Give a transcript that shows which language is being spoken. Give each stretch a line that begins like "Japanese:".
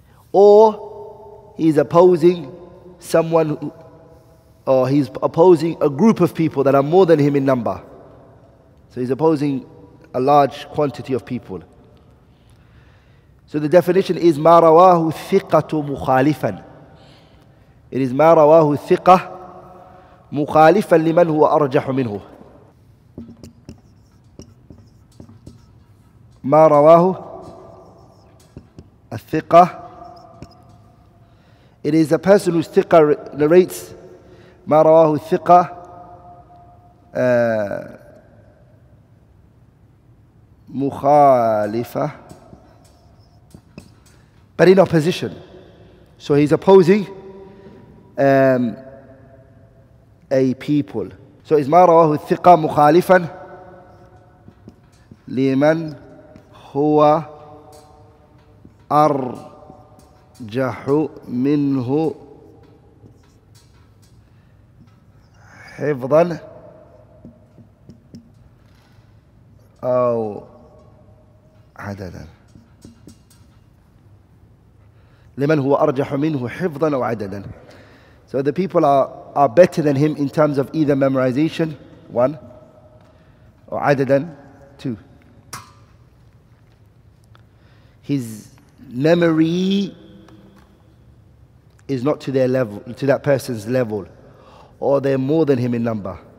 English: Or he's opposing someone who, or he's opposing a group of people that are more than him in number. So he's opposing a large quantity of people. So the definition is
Arabic: مَا رَوَاهُ ثِقَّةُ مُخَالِفًا.
English: It is
Arabic: مَا رَوَاهُ ثِقَّةُ مُخَالِفًا لِمَنْ هُوَ أَرْجَحُ مِنْهُ. ما رواه الثقة.
English: It is a person whose ثقة narrates
Arabic: ما رواه الثقة مخالفة
English: but in opposition. So he's opposing a people. So is
Arabic: ما رواه الثقة مخالفا لمن هو أرجح منه حفظا أو عددا لمن هو أرجح منه حفظا أو عددا.
English: So the people are better than him in terms of either memorization, one, or عددا, two. His memory is not to their level, to that person's level, or they're more than him in number.